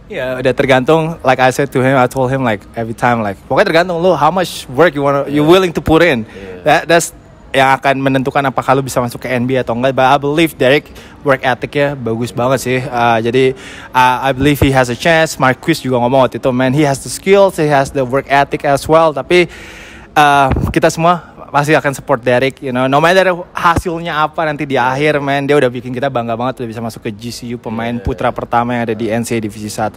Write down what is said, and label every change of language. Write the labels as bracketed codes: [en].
[en] Yeah, [id] udah tergantung, [en] like I said to him, I told him like every time, like [id] pokoknya tergantung lu [en] how much work you wanna you willing to put in. That's [id] yang akan menentukan apakah lu bisa masuk ke NBA atau enggak. [en] But I believe Derek work ethic-nya [id] bagus banget sih. Jadi [en] I believe he has a chance. Marquise [id] juga ngomong waktu itu, [en] man, he has the skills, he has the work ethic as well. [id] Tapi kita semua pasti akan support Derek, [en] you know. No matter [id] hasilnya apa nanti di akhir, man, dia udah bikin kita bangga banget udah bisa masuk ke GCU, pemain putra pertama yang ada di NCAA Divisi 1.